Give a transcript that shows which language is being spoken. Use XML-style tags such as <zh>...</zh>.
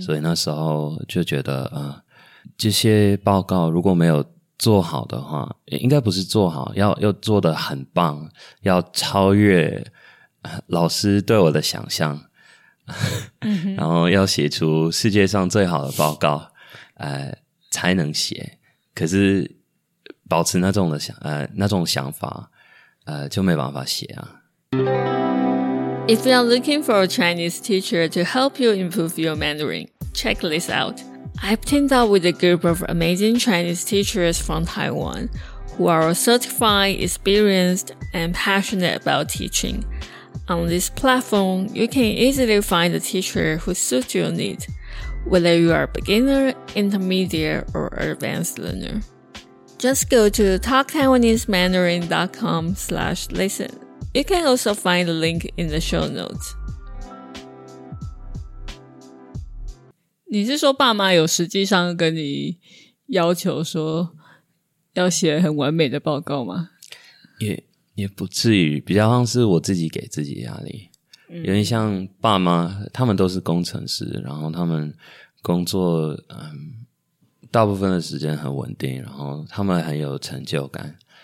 <zh>所以那时候就觉得这些报告如果没有做好的话，应该不是做好，要做得很棒，要超越老师对我的想象。然后要写出世界上最好的报告。才能写，可是保持那种的想那种想法就没办法写啊。</zh> <en>If you're looking for a Chinese teacher to help you improve your Mandarin, check this out. I've teamed up with a group of amazing Chinese teachers from Taiwan who are certified, experienced, and passionate about teaching. On this platform, you can easily find a teacher who suits your need, whether you are a beginner, intermediate, or advanced learner. Just go to talktaiwanesemandarin.com/listen. You can also find the link in the show notes.</en> <zh>你是说爸妈有实际上跟你要求说要写很完美的报告吗？也不至于，比较像是我自己给自己压力。有点像爸妈，他们都是工程师，然后他们工作大部分的时间很稳定，然后他们很有成就感。</zh>